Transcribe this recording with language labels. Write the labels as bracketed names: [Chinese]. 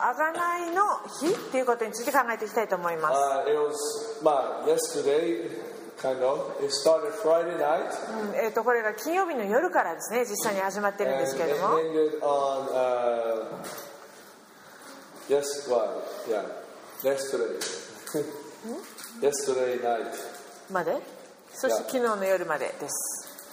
[Japanese] あがないの日っていうことについて考えていきたいと思います。 [English] It was, well, yesterday, kind of. It started Friday night. [Japanese] これが金曜日の夜からですね、実際に始まってるんですけれども。 [English] And it ended on, yes, well, yeah, yesterday. yesterday night. [Japanese] まで？そして昨日の夜までです。